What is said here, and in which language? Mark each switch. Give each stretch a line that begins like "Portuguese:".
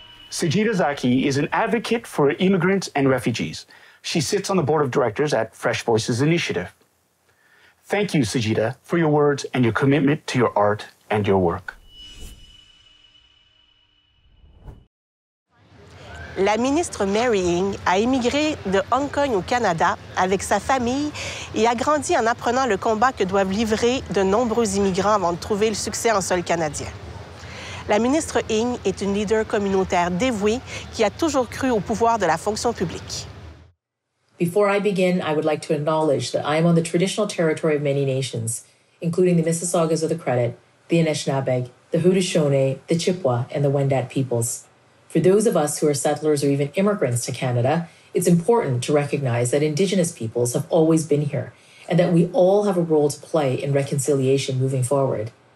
English: Sajida Zaki is an advocate for immigrants and refugees. She sits on the board of directors at Fresh Voices Initiative. Thank you, Sajida, for your words and your commitment to your art and your work.
French: La ministre Mary Ng a immigré de Hong Kong au Canada avec sa famille et a grandi en apprenant le combat que doivent livrer de nombreux immigrants avant de trouver le succès en sol canadien. La ministre Ng est une leader communautaire dévouée qui a toujours cru au pouvoir de la fonction publique.
English: Before I begin, I would like to acknowledge that I am on the traditional territory of many nations, including the Mississaugas of the Credit, the Anishinaabeg, the Haudenosaunee, the Chippewa, and the Wendat peoples. For those of us who are settlers or even immigrants to Canada, it's important to recognize that Indigenous peoples have always been here and that we all have a role to play in reconciliation moving forward.